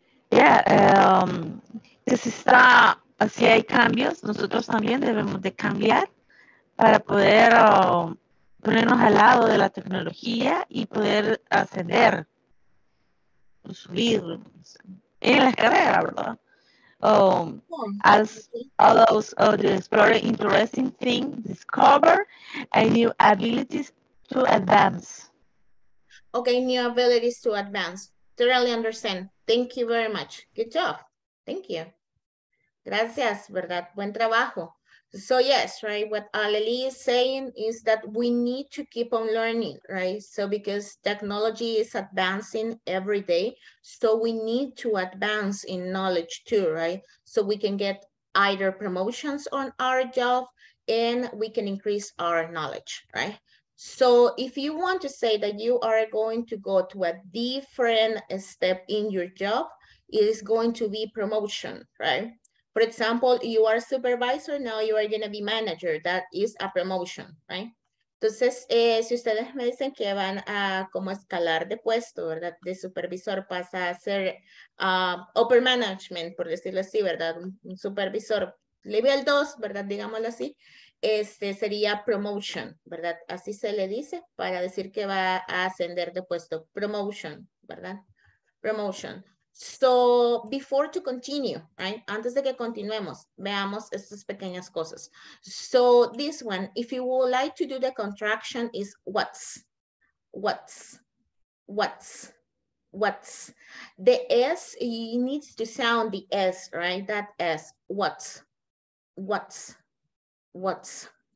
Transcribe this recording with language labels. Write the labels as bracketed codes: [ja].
[es] Yeah, si está así hay cambios, nosotros también debemos de cambiar para poder ponernos al lado de la tecnología y poder ascender, subir en la carrera, ¿verdad? [en] As all those of the explorer interesting thing, discover a new abilities to advance. Okay, new abilities to advance. Totally understand. Thank you very much. Good job. Thank you. [es] Gracias, ¿verdad? Buen trabajo. [en] So yes, right, what Aleli is saying is that we need to keep on learning, right? So because technology is advancing every day, so we need to advance in knowledge too, right? So we can get either promotions on our job and we can increase our knowledge, right? So if you want to say that you are going to go to a different step in your job, it is going to be promotion, right? For example, you are supervisor, now you are going to be manager. That is a promotion, right? [es] Entonces, si ustedes me dicen que van a como escalar de puesto, ¿verdad? De supervisor pasa a ser [en] upper management, [es] por decirlo así, ¿verdad? Un supervisor level 2, ¿verdad? Digámoslo así. Este sería promotion, ¿verdad? Así se le dice para decir que va a ascender de puesto. [en] Promotion, ¿verdad? Promotion. So, before to continue, right? [es] Antes de que continuemos, veamos estas pequeñas cosas. [en] So, this one, if you would like to do the contraction, is what's, what's, what's, what's. The S, you need to sound the S, right? That S, what's, what's, what's.